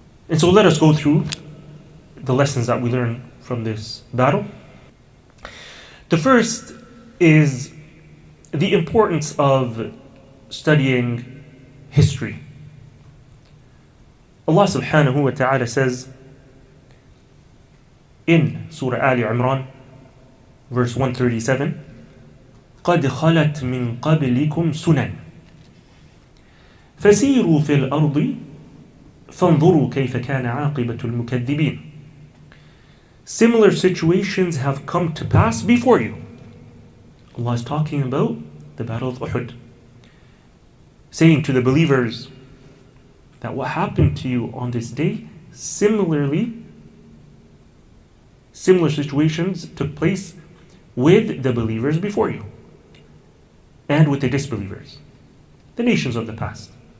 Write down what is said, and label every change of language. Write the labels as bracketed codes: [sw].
[en] And so let us go through the lessons that we learn from this battle. The first is the importance of studying history. Allah subhanahu wa ta'ala says in Surah Ali Imran, verse 137, [ar] قَدْ خَلَتْ مِنْ قَبْلِكُمْ سُنَنْ فَسِيرُوا فِي الْأَرْضِ فَانْظُرُوا كَيْفَ كَانَ عَاقِبَةُ الْمُكَذِّبِينَ. [en] Similar situations have come to pass before you. Allah is talking about the Battle of Uhud, saying to the believers that what happened to you on this day, similar situations took place with the believers before you and with the disbelievers, the nations of the past.